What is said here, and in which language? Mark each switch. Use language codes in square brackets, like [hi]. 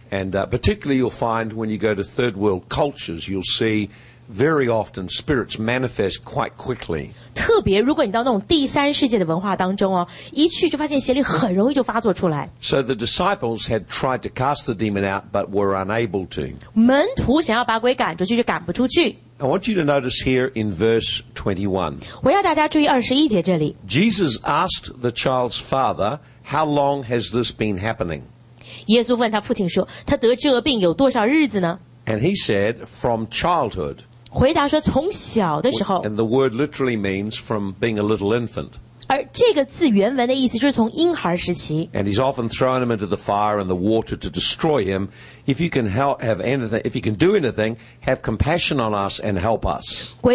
[en] And particularly you'll find when you go to third world cultures, you'll see very often spirits manifest quite quickly. [zh] 特别如果你到那种第三世界的文化当中哦，一去就发现邪灵很容易就发作出来。 [en] So the disciples had tried to cast the demon out, but were unable to. [zh] 门徒想要把鬼赶出去，却赶不出去。 [en] I want you to notice here in verse 21. [zh] 我要大家注意21节这里。 [en] Jesus asked the child's father, "How long has this been happening?" [zh] 耶稣问他父亲说，他得这病有多少日子呢？ [en] And he said, "From childhood." [zh] 回答说从小的时候, [en] and the word literally means from being a little infant. [zh] 而这个字原文的意思就是从婴孩时期。 [en] And he's often thrown him into the fire and the water to destroy him. If you can help, have anything, if you can do anything, have compassion on us and help us.